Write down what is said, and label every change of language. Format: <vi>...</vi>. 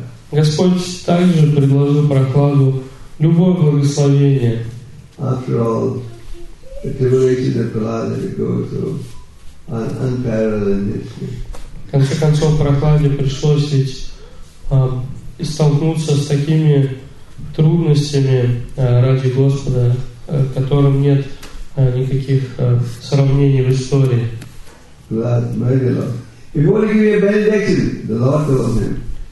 <ru>Господь также предложил Прохладу любое благословение.</ru> <en>After all, the tribulations that Prahlada goes through are unparalleled in history.</en> <ru>В конце концов, Прохладе пришлось ведь столкнуться с такими трудностями ради Господа, которым нет никаких сравнений в истории.</ru> <en>Lord, my Lord. If you want to give me a benediction, the Lord told him.</en>